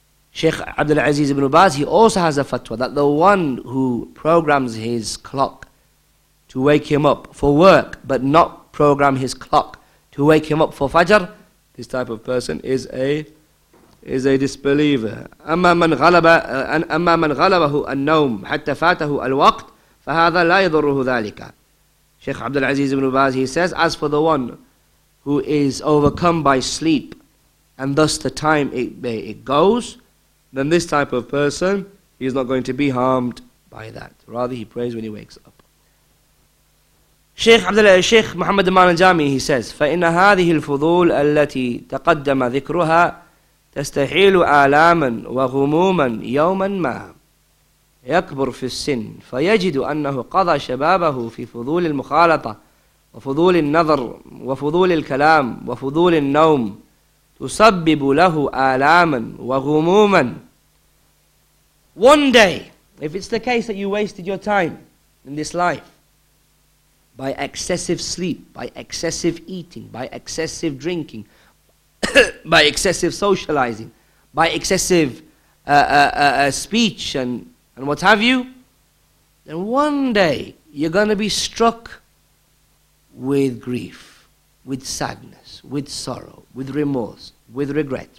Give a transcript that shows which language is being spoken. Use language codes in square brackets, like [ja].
[en] Sheikh Abdul Aziz Ibn Baz, he also has a fatwa that the one who programs his clock to wake him up for work, but not program his clock to wake him up for Fajr, this type of person is a disbeliever. [ar] أما من غلبه النوم حتى فاته الوقت فهذا لا يضره ذلك. [en] Sheikh Abdul Aziz Ibn Baz, he says, as for the one who is overcome by sleep and thus the time it goes, then this type of person, he is not going to be harmed by that. Rather, he prays when he wakes up. Sheikh Muhammad Aman al-Jami, he says, [ar] فإن هذه الفضول التي تقدم ذكرها تستحيل آلاما وغموما يوما ما يكبر في السن فيجد أنه قضى شبابه في فضول المخالطة وفضول النظر وفضول الكلام وفضول النوم تسبب له آلاما وغموما. [en] One day, if it's the case that you wasted your time in this life by excessive sleep, by excessive eating, by excessive drinking, by excessive socializing, by excessive speech and what have you, then one day you're going to be struck with grief, with sadness, with sorrow, with remorse, with regret.